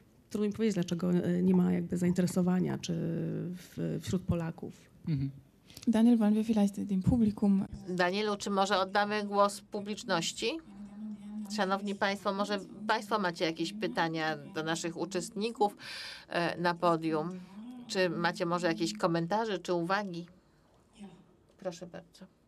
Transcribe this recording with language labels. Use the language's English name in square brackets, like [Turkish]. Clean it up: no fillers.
[Polish] Trudno mi powiedzieć, dlaczego nie ma jakby zainteresowania czy wśród Polaków. Mhm. [German] Daniel, wollen wir vielleicht dem Publikum. [Polish] Danielu, czy może oddamy głos publiczności? Szanowni Państwo, może Państwo macie jakieś pytania do naszych uczestników na podium? Czy macie może jakieś komentarze czy uwagi? Proszę bardzo.